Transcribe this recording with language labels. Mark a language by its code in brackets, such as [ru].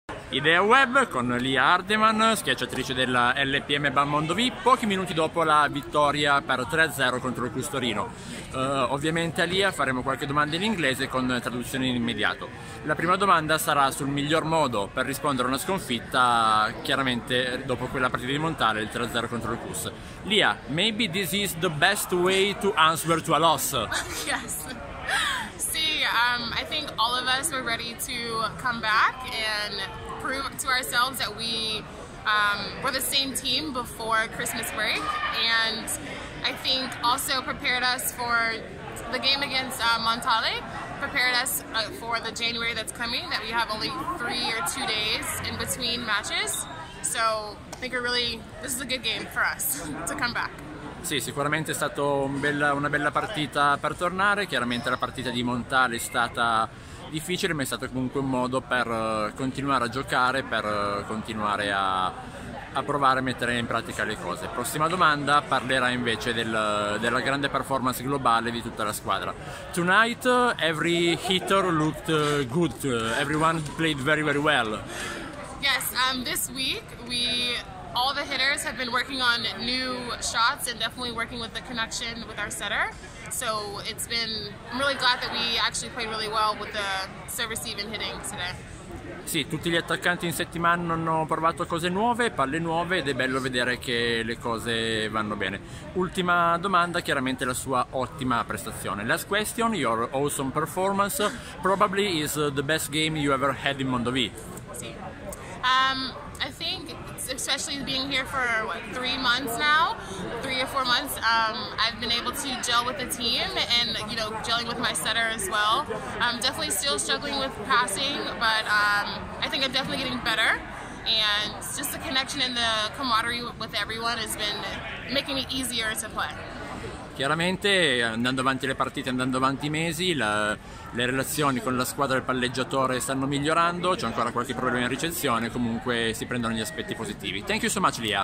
[it] Idea Web con Lee Hardeman, schiacciatrice del LPM Balmondo V, pochi minuti dopo la vittoria per 3-0 contro il Custorino. Ovviamente a Lia faremo qualche domanda in inglese con traduzione in immediato. La prima domanda sarà sul miglior modo per rispondere a una sconfitta, chiaramente dopo quella partita di Montale, il 3-0 contro il Cus. [en] Lia, maybe this is the best way to answer to a loss. Yes. I think all of us were ready to come back and prove to ourselves that we were the same team before Christmas break, and I think also prepared us for the game against Montale, prepared us for the January that's coming, that we have only 3 or 2 days in between matches. So I think we're really, this is a good game for us to come back. [it] Sì, sicuramente è stata una bella partita per tornare. Chiaramente la partita di Montale è stata difficile, ma è stato comunque un modo per continuare a giocare, per continuare a provare a mettere in pratica le cose. Prossima domanda parlerà invece della grande performance globale di tutta la squadra. [en] Tonight every hitter looked good, everyone played very very well. Yes, this week we... All the hitters have been working on new shots and definitely working with the connection with our setter. So it's been, I'm really glad that we actually played really well with the serve receive and hitting today. [it] Sì, tutti gli attaccanti in settimana hanno provato cose nuove, palle nuove, ed è bello vedere che le cose vanno bene. Ultima domanda, chiaramente la sua ottima prestazione. [en] Last question, your awesome performance probably is the best game you ever had in Mondovì. [it] Sì. [en] I think, especially being here for what, 3 months now, 3 or 4 months, I've been able to gel with the team, and you know, gelling with my setter as well. I'm definitely still struggling with passing, but I think I'm definitely getting better. And just the connection and the camaraderie with everyone has been making it easier to play. [it] Chiaramente, andando avanti le partite, andando avanti i mesi, le relazioni con la squadra del palleggiatore stanno migliorando, c'è ancora qualche problema in ricezione, comunque si prendono gli aspetti positivi. [en] Thank you so much, Lia.